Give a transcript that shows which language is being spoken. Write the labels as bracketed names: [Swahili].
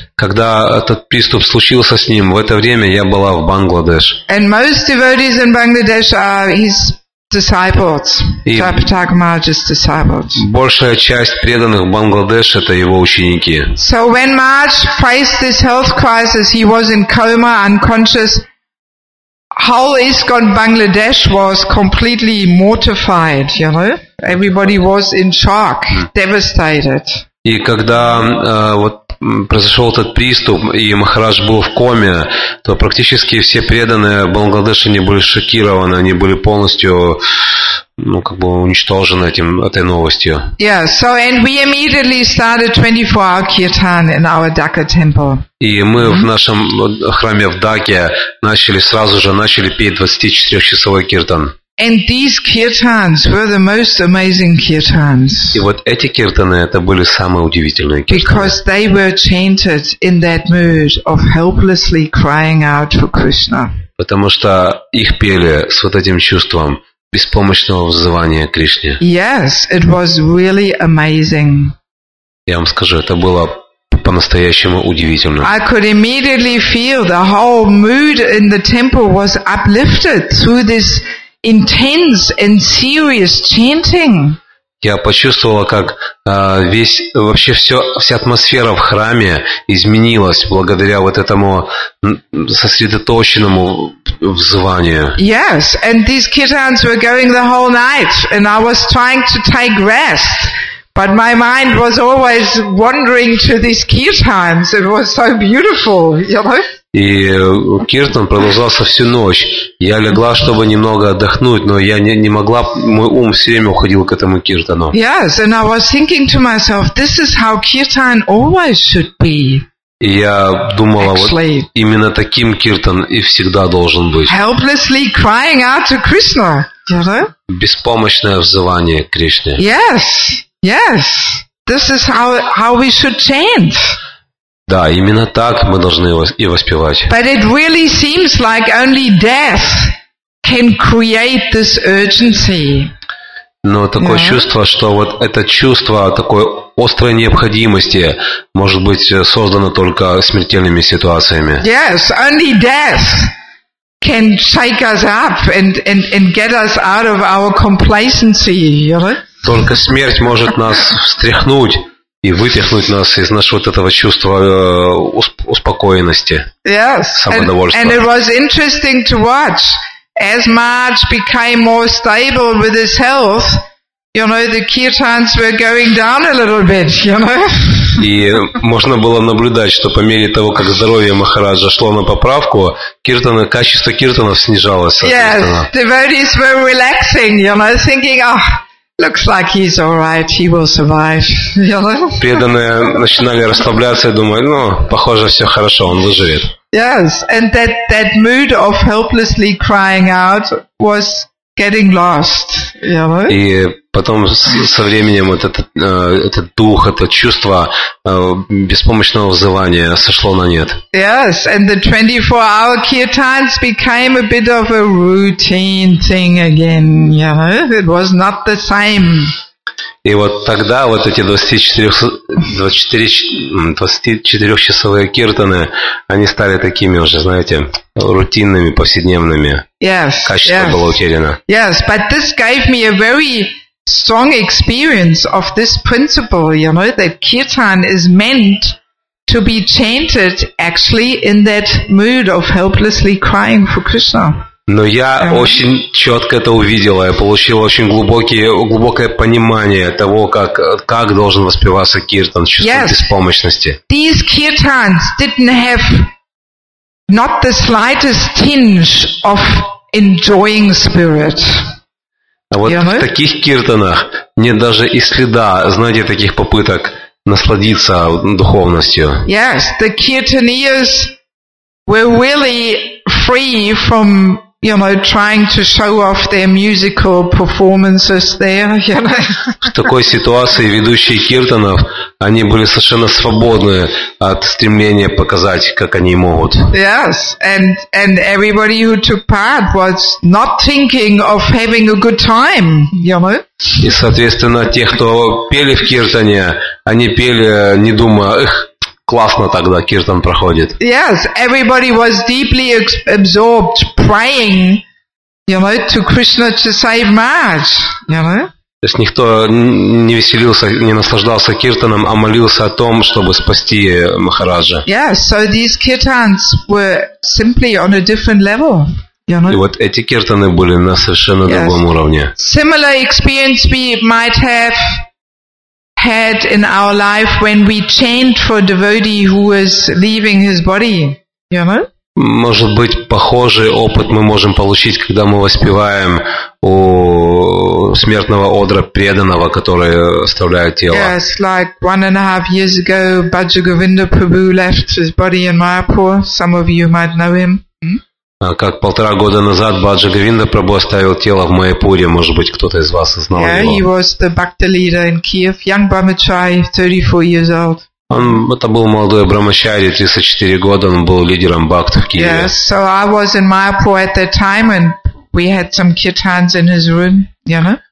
[Russian] Когда этот приступ случился с ним, в это время я была в Бангладеш. [English] And most devotees in Bangladesh are his disciples, Jayaprataka Maharaj's disciples. [Russian] Большая часть преданных в Бангладеш это его ученики. [English] So when Maharaj faced this health crisis, he was in coma, unconscious. Whole ISKCON Bangladesh was completely mortified, you know. Everybody was in shock, devastated. [Russian] И когда вот произошел этот приступ, и Махарадж был в коме, то практически все преданные Бангладеши не были шокированы, они были полностью, ну, как бы уничтожены этим, этой новостью. [English] Yeah, so and we immediately started 24-hour kirtan in our Dhaka temple. [Russian] И мы в нашем храме в Даке начали сразу же начали петь 24-часовой киртан. [English] And these kirtans were the most amazing kirtans. [Russian] И вот эти киртаны это были самые удивительные киртаны. [English] Because they were chanted in that mood of helplessly crying out for Krishna. [Russian] Потому что их пели с вот этим чувством беспомощного взывания к Кришне. [English] Yes, it was really amazing. [Russian] Я вам скажу, это было по-настоящему удивительно. [English] I could immediately feel the whole mood in the temple was uplifted through this intense and serious chanting. [Russian] Я почувствовала, как вся атмосфера в храме изменилась благодаря вот этому сосредоточенному взыванию. [English] Yes, and these kirtans were going the whole night, and I was trying to take rest, but my mind was always wandering to these kirtans. It was so beautiful, you know. [Russian] И киртан продолжался всю ночь. Я легла, чтобы немного отдохнуть, но я не могла, мой ум все время уходил к этому киртану. [English] Yes, and I was thinking to myself, this is how kirtan always should be. [Russian] И я думала, [English] actually, [Russian] вот именно таким киртан и всегда должен быть. [English] Helplessly crying out to Krishna. [Russian] Беспомощное взывание к Кришне. [English] Yes, yes. This is how we should chant. [Russian] Да, именно так мы должны и воспевать. [English] But it really seems like only death can create this urgency. [Russian] Но такое чувство, что вот это чувство такой острой необходимости может быть создано только смертельными ситуациями. [English] Yes, only death can shake us up and get us out of our complacency. [Russian] Только смерть может нас встряхнуть и выпихнуть нас из нашего вот этого чувства успокоенности, [English] yes, [Russian] самодовольства. [English] And it was interesting to watch. As Marge became more stable with his health, you know, the kirtans were going down a little bit, you know. [Russian] И можно было наблюдать, что по мере того, как здоровье Махараджа шло на поправку, качество киртанов снижалось. [English] Yes, devotees were relaxing, you know, thinking, oh, looks like he's all right. He will survive. [Russian] Преданные начинали расслабляться и думать: ну, похоже, все хорошо, он выживет. [English] Yes, and that mood of helplessly crying out was getting lost. [Russian] И потом со временем этот дух, это чувство беспомощного взывания сошло на нет. [English] Yes, and the 24-hour kirtans became a bit of a routine thing again. You know, it was not the same. [Russian] И вот тогда вот эти 24-часовые киртаны, они стали такими уже, знаете, рутинными, повседневными. [English] Yes, [Russian] качество [English] yes. [Russian] было утеряно. [English] Yes, but this gave me a very strong experience of this principle, you know, that kirtan is meant to be chanted actually in that mood of helplessly crying for Krishna. [Russian] Но я очень четко это увидела, я получила очень глубокое понимание того, как должен воспеваться киртан, чувство [English] yes. [Russian] беспомощности. [English] These kirtans didn't have not the slightest tinge of enjoying spirit. [Russian] А вот [English] you know? [Russian] В таких киртанах нет даже и следа, знаете, таких попыток насладиться духовностью. [English] Yes, the kirtaniyas were really free from, you know, trying to show off their musical performances there, you know. [Russian] В такой ситуации ведущие киртанов, они были совершенно свободны от стремления показать, как они могут. [English] Yes, and everybody who took part was not thinking of having a good time, you know. [Russian] И, соответственно, те, кто пели в киртане, они пели, не думая, эх, классно тогда киртан проходит. [English] Yes, everybody was deeply absorbed praying, you know, to Krishna to save Marge, you know. [Russian] То есть никто не веселился, не наслаждался киртаном, а молился о том, чтобы спасти Махараджа. [English] Yes, so these kirtans were simply on a different level, you know. [Russian] И вот эти киртаны были на совершенно другом [English] yes. [Russian] уровне. [English] Similar experience we might have had in our life when we chant for a devotee who is leaving his body, you know? [Russian] Может быть, похожий опыт мы можем получить, когда мы воспеваем у смертного одра преданного, который оставляет тело. [English] Yes, like 1.5 years ago, Bhaja Govinda Prabhu left his body in Mayapur. Some of you might know him. [Russian] Как 1.5 года назад Баджа Говинда Прабху оставил тело в Майяпуре, может быть, кто-то из вас знал [English] yeah, [Russian] его. [English] He was the bhakti leader in Kiev, young brahmachari, 34 years old. [Russian] Это был молодой брахмачари, 34 года, он был лидером бхакт в Киеве. [English] Yes, so I was in Mayapur at that time, and we had some kirtans in his room, you know?